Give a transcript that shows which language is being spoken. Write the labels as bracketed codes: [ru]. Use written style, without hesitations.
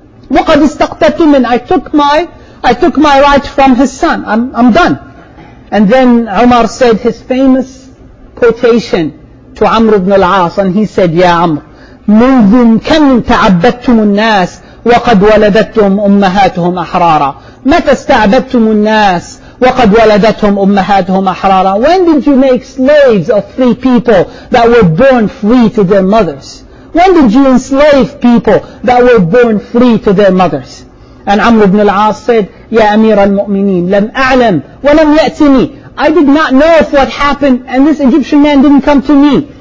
[ar] وَقَدْ اسْتَقْتَتُ مِنْ [en] I took my right from his son. I'm done. And then Umar said his famous quotation to Amr ibn al-As, and he said, Ya Amr, [ar] منذ كم تعبدتم الناس وقد ولدتهم أمهاتهم أحرارا. متى استعبدتم الناس وقد ولدتهم أمهاتهم أحرارا. [en] When did you make slaves of free people that were born free to their mothers? When did you enslave people that were born free to their mothers? And Amr ibn al-As said, [ar] Ya Amir al-Mu'mineen, lam a'lam wa lam ya'tini. [en] I did not know if what happened, and this Egyptian man didn't come to me.